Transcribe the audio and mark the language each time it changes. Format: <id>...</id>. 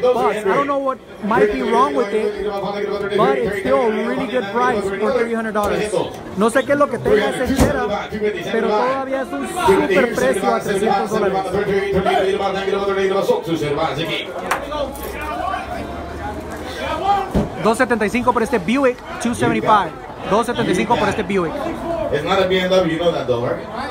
<en>I don't know what might be wrong with it, but it's still a really good price for $300.</en> <es>No sé qué es lo que tenga ese Jetta, pero todavía es un super precio a $300. 275 por este Buick, 275. 275 por este Buick.</es> <en>It's not a BMW, you know that though, right?</en>